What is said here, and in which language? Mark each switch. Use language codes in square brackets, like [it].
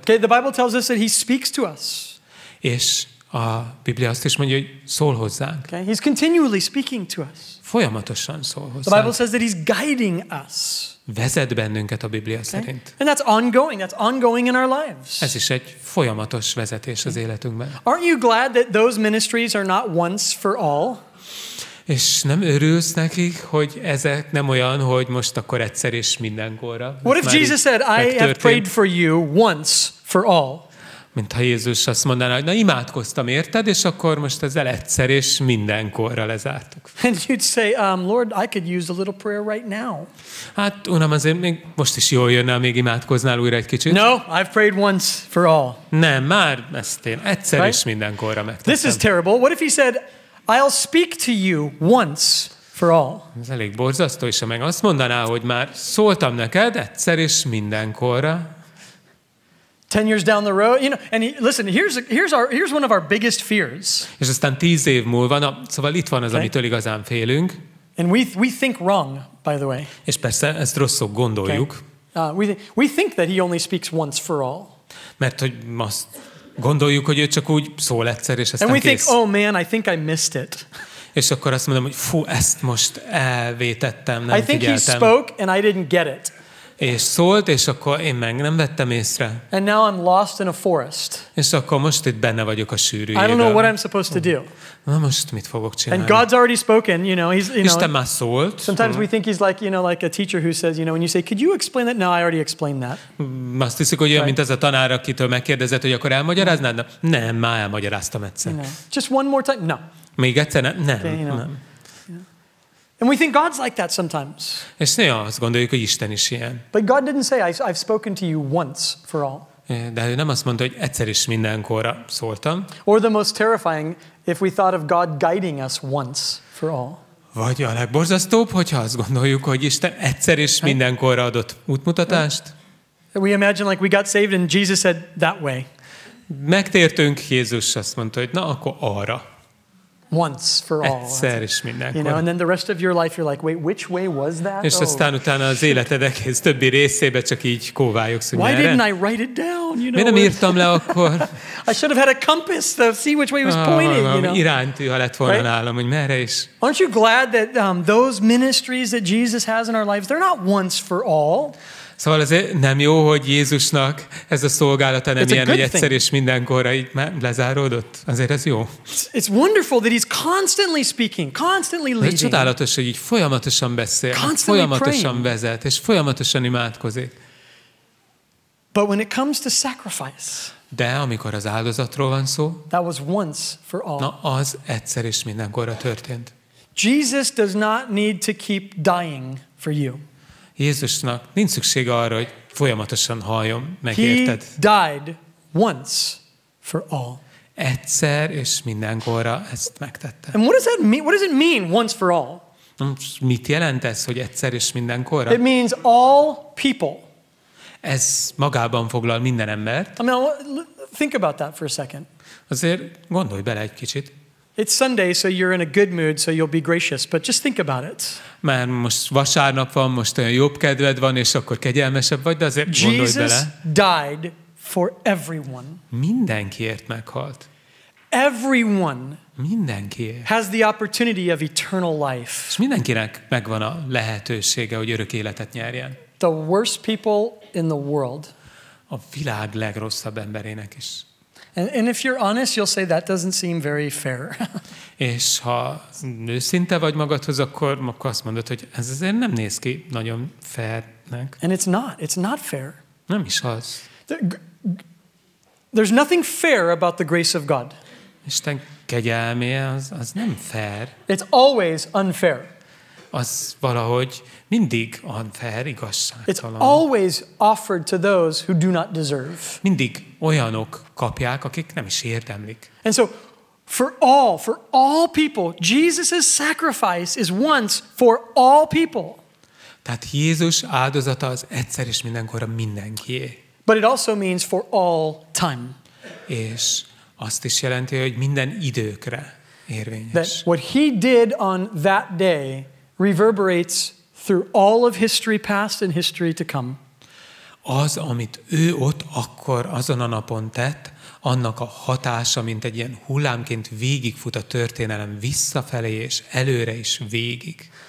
[en] Okay, the Bible tells us that he speaks to us. [hu] És a Biblia azt is mondja, hogy szól hozzánk. [en] Okay, he's continually speaking to us. [hu] Folyamatosan szól hozzánk. [en] The Bible says that he's guiding us. [hu] Vezet bennünket a Biblia okay? szerint. [en] And that's ongoing in our lives. [hu] Ez is egy folyamatos vezetés okay. az életünkben. [en] Aren't you glad that those ministries are not once for all? [hu] És nem örülsz nekik, hogy ezek nem olyan, hogy most akkor egyszer és mindenkorra. [en] What if Jesus said, I have prayed for you once for all? [hu] Mintha Jézus azt mondaná, hogy na imádkoztam érted, és akkor most ezzel egyszer és mindenkorra lezártuk. [en] And you'd say, Lord, I could use a little prayer right now. [hu] Hát, Uram, azért még most is jól jönne, még imádkoznál újra egy kicsit. [en] No, I've prayed once for all. [hu] Nem, már ezt én egyszer right? és mindenkorra megtettem. [en] This is terrible. What if he said, I'll speak to you once for all. [hu] Ez elég borzasztó, és ha meg azt mondaná, hogy már szóltam neked egyszer és mindenkorra. [en] 10 years down the road, you know, and listen, here's one of our biggest fears. [hu] És aztán 10 év múlva, na, szóval itt van az, okay. amitől igazán félünk. [en] And we think wrong, by the way. [hu] És persze ezt rosszul gondoljuk. [en] Okay. We think that he only speaks once for all. [hu] Mert hogy most gondoljuk, hogy ő csak úgy szól egyszer, és aztán [en] And we [hu] kész. [en] Think, oh man, I think I missed it. [hu] És akkor azt mondom, hogy fú, ezt most elvétettem, nem [en] I think [hu] figyeltem. [en] He spoke and I didn't get it. [hu] És szólt, és akkor én meg nem vettem észre. [en] And now I'm lost in a forest. [hu] És akkor most itt benne vagyok a sűrűjében. [en] I don't know what I'm supposed to do. [hu] Na most mit fogok csinálni? [en] And God's already spoken, you know, he's you know. [hu] Isten már szólt. [en] Sometimes we think he's like, you know, like a teacher who says, you know, when you say, "Could you explain that?" No, I already explained that. [hu] Azt hiszik, hogy olyan, mint ez a tanár, akitől megkérdezett, hogy akkor elmagyaráznád? Nem, már elmagyaráztam egyszer. [en] Just one more time. No. [hu] Még egyszer? Nem. [en] And we think God's like that sometimes. [hu] És néha azt gondoljuk, hogy Isten is ilyen. [en] But God didn't say I've spoken to you once for all. [hu] De ő nem azt mondta, hogy egyszer is mindenkorra szóltam. [en] Or the most terrifying if we thought of God guiding us once for all. [hu] Vagy a legborzasztóbb, hogyha azt gondoljuk, hogy Isten egyszer is mindenkorra adott útmutatást. [en] We imagine like we got saved and Jesus said that way. [hu] Megtértünk, Jézus azt mondta, hogy na akkor arra. [en] Once for all. [hu] Egyszer is mindenkor. [en] You know, and then the rest of your life you're like, wait, which way was that? [hu] És aztán utána az életed egész többi részébe csak így kóvályogsz, hogy [en] Why didn't I write it down? You know, [hu] miért nem írtam le akkor? [en] I should have had a compass to see which way it was pointing. You know? [hu] Iránytű, ha lett volna nálam, hogy merre is. [en] Aren't you glad that those ministries that Jesus has in our lives, they're not once for all? [hu] Szóval ez nem jó, hogy Jézusnak ez a szolgálata nem ilyen, hogy egyszer és mindenkorra így lezáródott. Azért ez jó. [en] It's wonderful that he's constantly speaking, constantly leading. [hu] De csodálatos, hogy így folyamatosan beszél, folyamatosan vezet, és folyamatosan imádkozik. [en] But when it comes to sacrifice, [hu] de amikor az áldozatról van szó, [en] that was once for all. [hu] Na, az egyszer és mindenkorra történt. [en] Jesus does not need to keep dying for you. [hu] Jézusnak nincs szüksége arra, hogy folyamatosan halljon, meg [en] He [hu] érted. [en] Died once for all. [hu] Egyszer és mindenkorra ezt megtette. [en] And what does that mean? What does it mean once for all? [hu] Mit jelent ez, hogy egyszer és mindenkorra? [en] It means all people. [hu] Ez magában foglal minden embert. [en] I mean, think about that for a second. [hu] Azért gondolj bele egy kicsit. [en] It's Sunday, so you're in a good mood, so you'll be gracious. But just think about it. [hu] Már most vasárnap van, most olyan jobb kedved van, és akkor kegyelmesebb vagy, de azért [en] Jesus [hu] gondolj bele. [en] Jesus died for everyone. [hu] Mindenkiért meghalt. [en] Everyone. [hu] Mindenkiért. [en] Has the opportunity of eternal life. [hu] És mindenkinek megvan a lehetősége, hogy örök életet nyerjen. [en] The worst people in the world. [hu] A világ legrosszabb emberének is. [en] And if you're honest, you'll say that doesn't seem very fair. [hu] És ha őszinte vagy magadhoz, akkor azt mondod, hogy ez azért nem néz ki nagyon fairnek. [en] And it's not fair. [hu] Nem is az. [en] There's nothing fair about the grace of God. [hu] Isten kegyelme az nem fair. [en] It's always unfair. [hu] Az valahogy mindig unfair, igazságtalan. [en] It's always offered to those who do not deserve. [hu] Mindig olyanok kapják, akik nem is érdemlik. [en] And so, for all people, Jesus' sacrifice is once for all people. [hu] Tehát Jézus áldozata az egyszer és mindenkorra mindenkié. [en] But it also means for all time. [hu] És azt is jelenti, hogy minden időkre érvényes. [en] That what he did on that day reverberates through all of history past and history to come. [hu] Az, amit ő ott akkor azon a napon tett, annak a hatása, mint egy ilyen hullámként végigfut a történelem visszafelé és előre is végig.